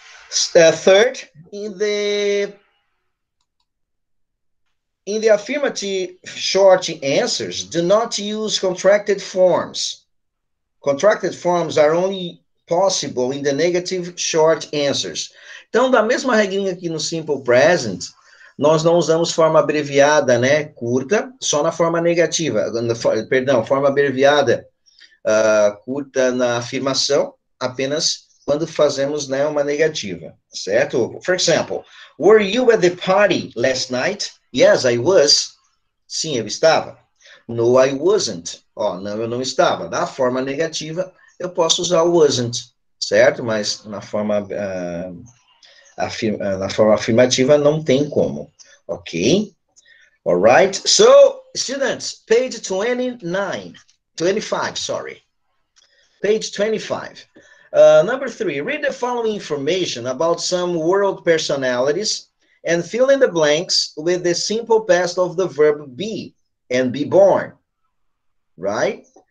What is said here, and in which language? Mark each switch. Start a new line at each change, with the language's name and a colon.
English: Third, in the affirmative short answers, do not use contracted forms. Contracted forms are only possible in the negative short answers.
Portuguese: Então, da mesma regrinha que no simple present, nós não usamos forma abreviada, né, curta, só na forma negativa, perdão, forma abreviada, curta na afirmação, apenas quando fazemos, né, uma negativa, certo?
English: For example, were you at the party last night? Yes, I was.
Portuguese: Sim, eu estava.
English: No, I wasn't.
Portuguese: Oh, não, eu não estava. Na forma negativa, eu posso usar wasn't, certo? certo? Mas na forma afirmativa não tem como, ok?
English: All right, so, students, page 25. Number 3, read the following information about some world personalities and fill in the blanks with the simple past of the verb be and be born, right?